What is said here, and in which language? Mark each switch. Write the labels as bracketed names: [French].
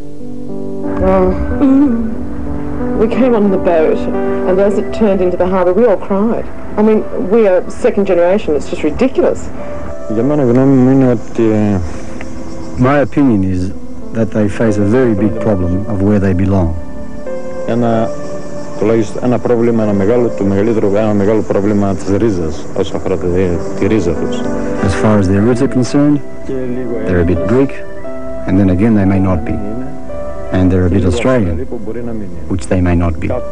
[English] We came on the boat, and as it turned into the harbour, we all cried. I mean, we are second generation. It's just ridiculous. My opinion is that they face a very big problem of where they belong. [Greek] Ένα πρόβλημα, ένα μεγάλο, το μεγαλύτερο, ένα μεγάλο πρόβλημα της ρίζας, όσον αφορά τη ρίζα τους. [English] As far as their roots are concerned, they're a bit Greek, and then again they may not be. And they're a bit Australian, which they may not be.